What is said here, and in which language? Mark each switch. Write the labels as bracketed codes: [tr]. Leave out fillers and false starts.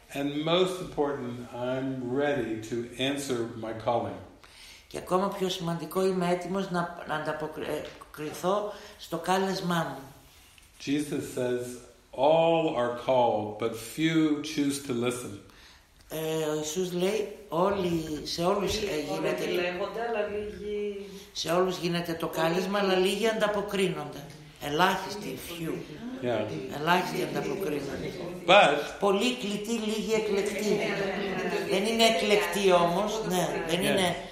[en] And most important, I'm ready to answer my calling. [el] Και ακόμα πιο σημαντικό, είμαι έτοιμος να ανταποκριθώ στο κάλεσμά μου. [en] Jesus says, all are called, but few choose to listen. [el] Ο Ιησούς λέει, όλοι, σε όλους γίνεται, όλοι λέγονται, αλλά λίγοι... σε όλους γίνεται το κάλεσμα, αλλά λίγοι ανταποκρίνονται. Ελάχιστοι, few. [en] Yeah. [el] Ελάχιστοι ανταποκρίνονται. [en] But... [el] πολύ κλητοί, λίγοι εκλεκτοί. Δεν είναι εκλεκτοί όμως, ναι, δεν είναι...